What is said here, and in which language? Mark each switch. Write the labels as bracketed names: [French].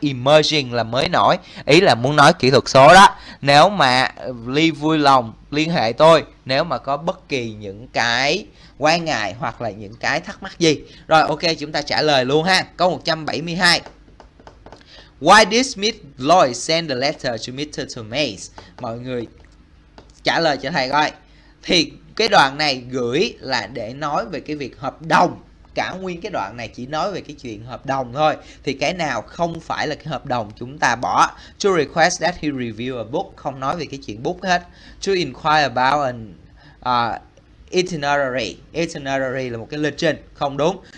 [Vietnamese] Emerging là mới nổi, ý là muốn nói kỹ thuật số đó. Nếu mà Lee vui lòng liên hệ tôi nếu mà có bất kỳ những cái quan ngại hoặc là những cái thắc mắc gì. Rồi, ok, chúng ta trả lời luôn ha. Câu 172. [English] Why did Smith Lloyd send the letter to Mr. Thomas? [Vietnamese] Mọi người trả lời cho thầy coi. Thì cái đoạn này gửi là để nói về cái việc hợp đồng. Cả nguyên cái đoạn này chỉ nói về cái chuyện hợp đồng thôi. Thì cái nào không phải là cái hợp đồng chúng ta bỏ. [English] To request that he review a book, [Vietnamese] không nói về cái chuyện book hết. [English] To inquire about an itinerary, [Vietnamese] itinerary là một cái lịch trình, không đúng.